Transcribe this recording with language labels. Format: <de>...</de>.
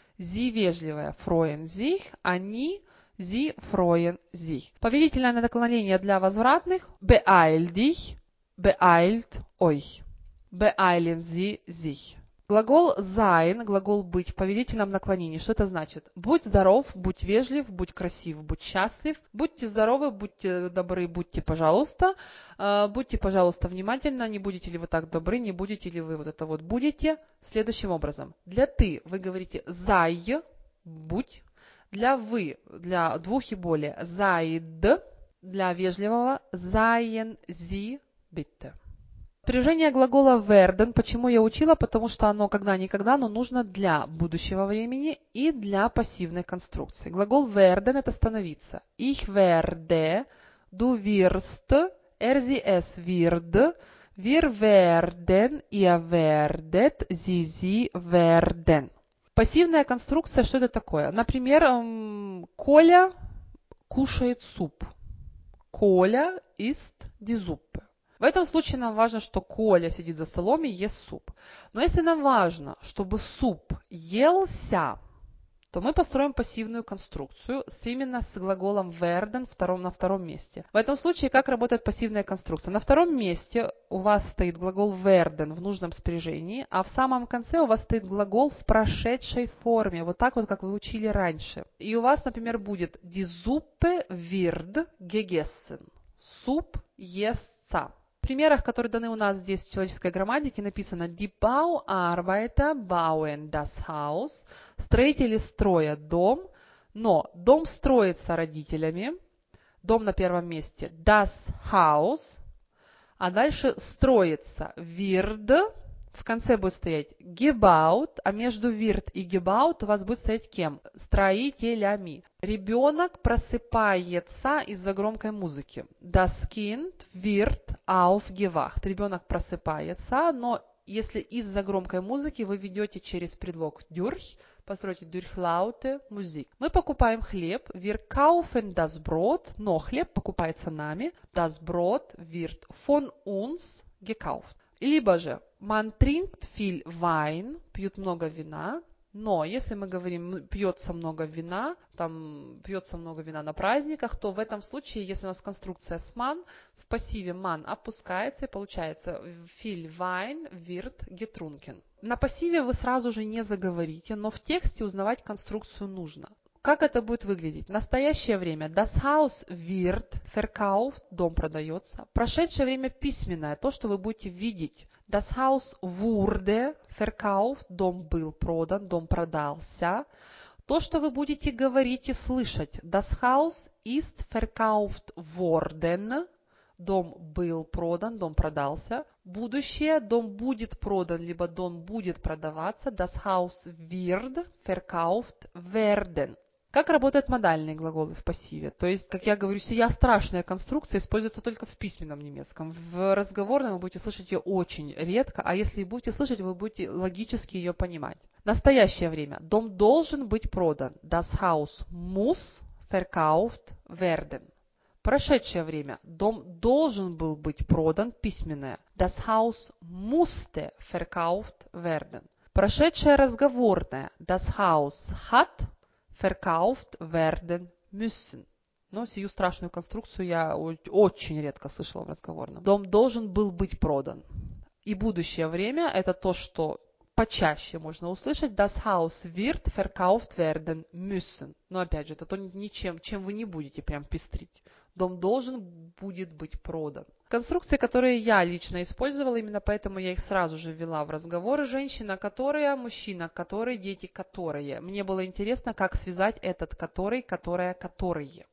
<de>Sie вежливая, freuen sich, они, sie freuen sich.</de> <ru>Повелительное наклонение для возвратных,</ru> <de>beeil dich, beeilt euch, beeilen sie sich.</de> <ru>Глагол sein, глагол быть в повелительном наклонении, что это значит? Будь здоров, будь вежлив, будь красив, будь счастлив, будьте здоровы, будьте добры, будьте, пожалуйста, внимательны, не будете ли вы так добры, не будете ли вы вот это вот будете. Следующим образом, для ты вы говорите sei, будь, для вы, для двух и более, seid, для вежливого,</ru> <de>seien Sie bitte.</de> <ru>Спряжение глагола werden, почему я учила? Потому что оно когда-никогда, но нужно для будущего времени и для пассивной конструкции. Глагол werden – это становиться.</ru> <de>Ich werde, du wirst, sie es wird, wir werden, ihr werdet, sie werden.</de> <ru>Пассивная конструкция – что это такое? Например, Коля кушает суп.</ru> <de>Коля isst die Suppe.</de> <ru>В этом случае нам важно, что Коля сидит за столом и ест суп. Но если нам важно, чтобы суп елся, то мы построим пассивную конструкцию именно с глаголом werden на втором месте. В этом случае как работает пассивная конструкция? На втором месте у вас стоит глагол werden в нужном спряжении, а в самом конце у вас стоит глагол в прошедшей форме, вот так вот, как вы учили раньше. И у вас, например, будет</ru> <de>die Suppe wird gegessen.</de> <ru>Суп естся. В примерах, которые даны у нас здесь в человеческой грамматике, написано</ru> <de>Die Bauarbeiter bauen das Haus.</de> <ru>Строители строят дом, но дом строится родителями. Дом на первом месте das Haus, а дальше строится wird. В конце будет стоять gebaut, а между wird и gebaut у вас будет стоять кем? Строителями. Ребенок просыпается из-за громкой музыки.</ru> <de>Das Kind wird aufgewacht.</de> <ru>Ребенок просыпается, но если из-за громкой музыки вы ведете через предлог durch, постройте</ru> <de>durch laute Musik.</de> <ru>Мы покупаем хлеб.</ru> <de>Wir kaufen das Brot,</de> <ru>но хлеб покупается нами.</ru> <de>Das Brot wird von uns gekauft.</de> <ru>Либо же</ru> <de>man trinkt viel Wein,</de> <ru>пьют много вина, но если мы говорим пьется много вина, там пьется много вина на праздниках, то в этом случае, если у нас конструкция с man, в пассиве man опускается и получается</ru> <de>viel Wein wird getrunken.</de> <ru>На пассиве вы сразу же не заговорите, но в тексте узнавать конструкцию нужно. Как это будет выглядеть? Настоящее время.</ru> <de>Das Haus wird verkauft.</de> <ru>Дом продается. Прошедшее время письменное. То, что вы будете видеть.</ru> <de>Das Haus wurde verkauft.</de> <ru>Дом был продан. Дом продался. То, что вы будете говорить и слышать.</ru> <de>Das Haus ist verkauft worden.</de> <ru>Дом был продан, дом продался. Будущее, дом будет продан, либо дом будет продаваться.</ru> <de>Das Haus wird verkauft werden.</de> <ru>Как работают модальные глаголы в пассиве? То есть, как я говорю, сия страшная конструкция используется только в письменном немецком. В разговорном вы будете слышать ее очень редко, а если и будете слышать, вы будете логически ее понимать. Настоящее время. Дом должен быть продан.</ru> <de>Das Haus muss verkauft werden.</de> <ru>Прошедшее время. Дом должен был быть продан. Письменное.</ru> <de>Das Haus musste verkauft werden.</de> <ru>Прошедшее разговорное.</ru> <de>Das Haus hat verkauft werden müssen.</de> <ru>Но сию страшную конструкцию я очень редко слышала в разговорном. Дом должен был быть продан. И будущее время – это то, что почаще можно услышать.</ru> <de>Das Haus wird verkauft werden müssen.</de> <ru>Но опять же, это то, ничем, чем вы не будете прям пестрить. Дом должен будет быть продан. Конструкции, которые я лично использовала, именно поэтому я их сразу же ввела в разговоры. Женщина, которая, мужчина, который, дети, которые. Мне было интересно, как связать этот который, которое, которые.</ru>